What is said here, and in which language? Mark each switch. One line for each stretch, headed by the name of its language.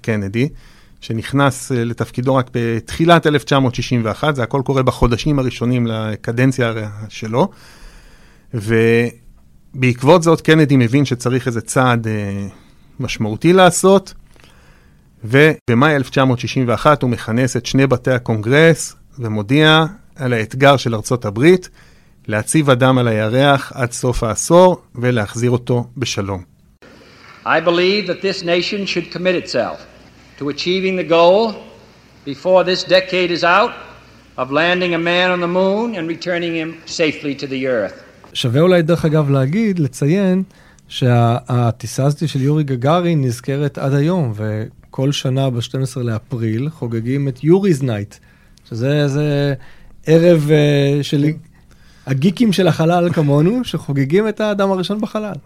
Hebrew: קנדי, שנכנס לתפקידו רק בתחילת 1961, זה הכל קורה בחודשים הראשונים לקדנציה שלו, בעקבות זאת קנדי מבין שצריך איזה צעד משמעותי לעשות, ובמאי 1961 הוא מכנס את שני בתי הקונגרס ומודיע על האתגר של ארצות הברית להציב אדם על הירח עד סוף העשור ולהחזיר אותו בשלום.
English: I believe that this nation should commit itself to achieving the goal before this decade is out of landing a man on the moon and returning him safely to the earth.
Hebrew: שווה אולי דרך אגב להגיד, לציין, שהטיסה הזאת של יורי גגארי נזכרת עד היום, וכל שנה ב-12 לאפריל חוגגים את יוריז נייט, שזה ערב של הגיקים של החלל כמונו, שחוגגים את האדם הראשון בחלל.